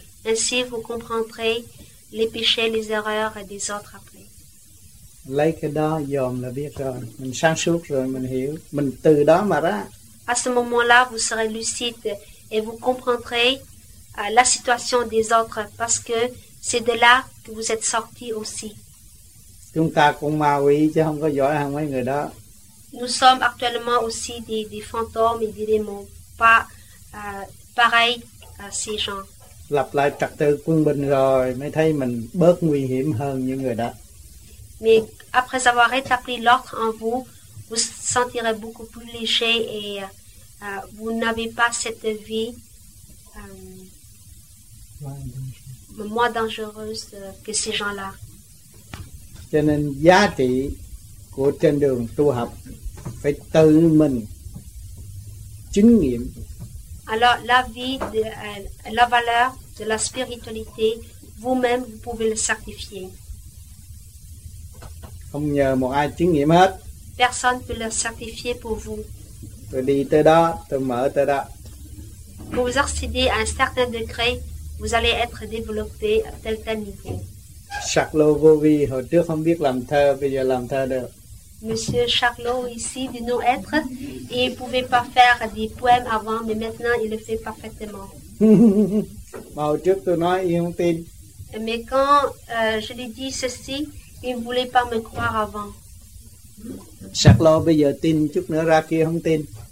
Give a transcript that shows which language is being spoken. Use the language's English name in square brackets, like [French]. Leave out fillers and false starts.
[French] Ainsi, vous comprendrez les péchés, les erreurs des autres après. [Vietnamese] Lấy cái đó dòm là biết rồi, mình sáng suốt rồi, mình hiểu, mình từ đó mà ra. [French] À ce moment-là, vous serez lucide et vous comprendrez la situation des autres parce que c'est de là que vous êtes sorti aussi. [Vietnamese] Chúng ta cũng ma quỷ chứ không có giỏi hơn mấy người đó. [French] Nous sommes actuellement aussi des fantômes et des démons, pas pareil à ces gens. [Vietnamese] Lập lại trật tự quân bình rồi mới thấy mình bớt nguy hiểm hơn những người đó. [French] Mais après avoir rétabli l'ordre en vous, vous sentirez beaucoup plus léger et vous n'avez pas cette vie moins dangereuse que ces gens-là. [Vietnamese] Cho nên giá trị của trên đường tu học phải tự mình chứng nghiệm. [French] Alors la vie, la valeur de la spiritualité, vous-même vous pouvez le certifier. [Vietnamese] Không nhờ một ai chứng nghiệm hết. [French] Personne ne peut le certifier pour vous. [Vietnamese] Tôi đi tới đó, tôi mở tới đó. [French] Pour vous accéder à un certain degré, vous allez être développé à tel niveau. [Vietnamese] Charlovovi, hồi trước không biết làm thơ, bây giờ làm thơ được. [French] Monsieur Charlot ici de nous être, il ne pouvait pas faire des poèmes avant, mais maintenant il le fait parfaitement. [Vietnamese] Hồi trước tôi nói, il không tin. [French] Mais quand je lui dis ceci, il ne voulait pas me croire avant. [Vietnamese] Charlot, bây giờ tin chút nữa ra kia không tin.